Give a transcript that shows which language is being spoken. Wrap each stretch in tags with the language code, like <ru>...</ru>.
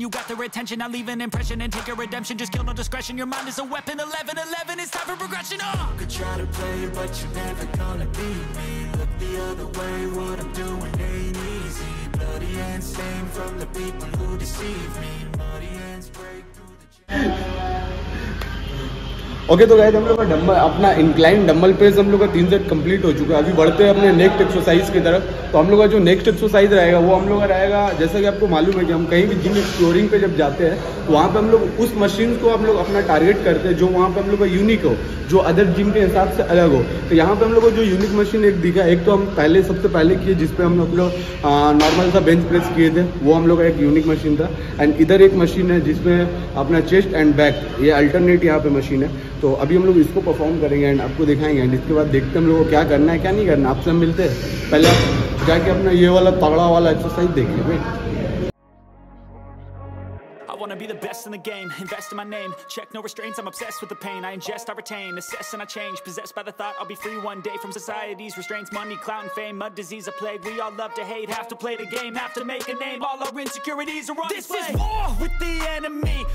<en>You got the retention, I'll leave an impression and take a redemption. Just kill no discretion, your mind is a weapon. 11-11, it's time for progression, You could try to play, but you're never gonna beat me. Look the other way, what I'm doing ain't easy. Bloody hands stained from the people who deceive me. Bloody hands break through the</en> <hi>okay तो guys हम लोग का dumbbell अपना incline dumbbell press हम लोग का 3 set complete हो चुका है। अभी बढ़ते हैं अपने नेक्स्ट एक्सरसाइज की तरफ। तो हम लोग का जो नेक्स्ट एक्सरसाइज रहेगा वो हम लोग का रहेगा, जैसा कि आपको मालूम है कि हम कहीं भी जिम एक्सप्लोरिंग पे जब जाते हैं तो वहाँ पे हम लोग उस मशीन को हम लोग अपना टारगेट करते हैं जो वहाँ पे हम लोग का यूनिक हो, जो अदर जिम के हिसाब से अलग हो। तो यहाँ पे हम लोग को जो यूनिक मशीन एक दिखा, एक तो हम पहले सबसे पहले किए जिसपे हम लोग नॉर्मल सा बेंच प्रेस किए थे, वो हम लोग का एक यूनिक मशीन था। एंड इधर एक मशीन है जिसपे अपना चेस्ट एंड बैक, ये अल्टरनेट यहाँ पे मशीन है। तो अभी हम लोग इसको परफॉर्म करेंगे एंड आपको दिखाएंगे एंड इसके बाद देखते हैं हम लोगों को क्या करना है क्या नहीं करना। आपसे हम मिलते हैं, पहले जाके अपना ये वाला तगड़ा वाला एक्सरसाइज देखिए भाई।</hi> <en>Wanna be the best in the game, invest in my name. Check no restraints, I'm obsessed with the pain. I ingest, I retain, assess and I change. Possessed by the thought I'll be free one day from society's restraints. Money, clout and fame, mud, disease, a plague. We all love to hate, have to play the game, have to make a name. All our insecurities are on display. This is war with the enemy.</en>